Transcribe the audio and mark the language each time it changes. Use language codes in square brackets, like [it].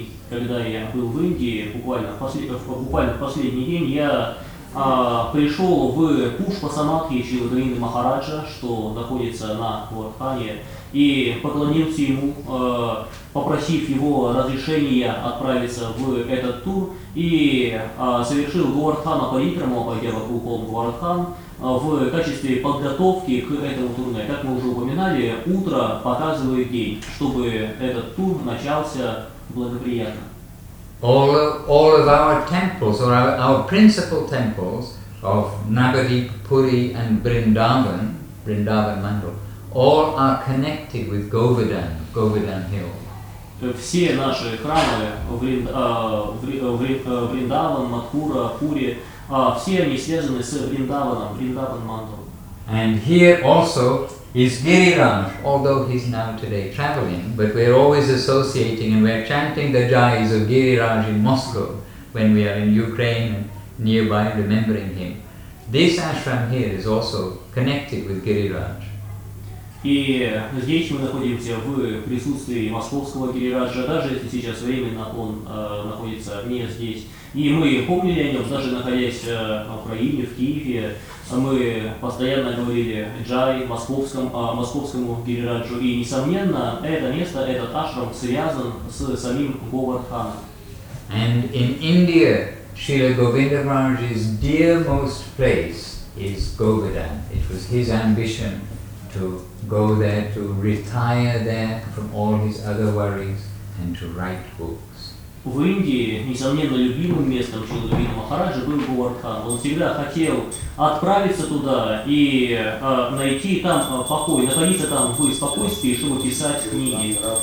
[ru] Когда я был в Индии, буквально в последний день, я пришел в Пушпа Самадхи Шрилы Говинды Махараджа, что находится на Вардхане, и поклонился ему, попросив его разрешения отправиться в этот тур, и совершил Говардхана Парикраму, пойдя вокруг холма Говардхан, в качестве подготовки к этому турне. Как мы уже упоминали, утро показывает день, чтобы этот тур начался благоприятно. [en] All of our temples, or our principal temples of Nagadeep, Puri and Vrindavan Mandal, all are connected with Govardhan Hill. [ru] Все наши храмы, Vrindavan, Mathura, Puri, все они связаны с Vrindavan Mandal. [en] And here also is Giriraj, although he's now today traveling, but we're always associating and we're chanting the jais of Giriraj in Moscow when we are in Ukraine and nearby remembering him. This ashram here is also connected with Giriraj. [ru] И здесь мы находимся в присутствии московского Гирираджа, даже если сейчас временно он находится не здесь. И мы помнили о нем, даже находясь в Украине, в Киеве, мы постоянно говорили джай московскому Гирираджу. И, несомненно, это место, этот ашрам связан с самим Говардханом. [en] And in India, Srila Govinda Maharaj's dearmost place is Govardhan. It was his ambition to go there, to retire there from all his other worries and to write books. [ru] В Индии, несомненно, любимым местом Шрилы Говинды Махараджа был Говардхан. Он всегда хотел отправиться туда и найти там покой, находиться там в спокойствии, чтобы писать книги.